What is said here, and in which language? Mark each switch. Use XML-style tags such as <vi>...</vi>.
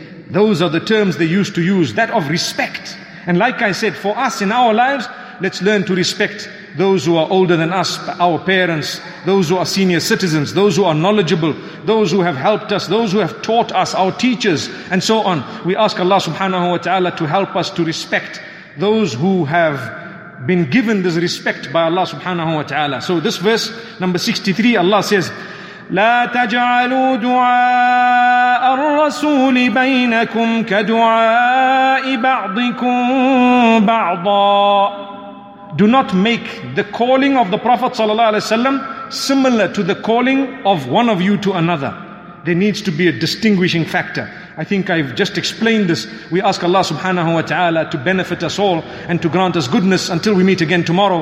<en>Those are the terms they used to use, that of respect. And like I said, for us in our lives, let's learn to respect those who are older than us, our parents, those who are senior citizens, those who are knowledgeable, those who have helped us, those who have taught us, our teachers, and so on. We ask Allah subhanahu wa ta'ala to help us to respect those who have been given this respect by Allah subhanahu wa ta'ala. So this verse, number 63, Allah says,</en> <ar>لا تجعلوا دعاء الرسول بينكم كدعاء بعضكم بعضا.</ar> <en>Do not make the calling of the Prophet sallallahu alaihi wasallam similar to the calling of one of you to another. There needs to be a distinguishing factor. I think I've just explained this. We ask Allah subhanahu wa ta'ala to benefit us all and to grant us goodness until we meet again tomorrow.</en>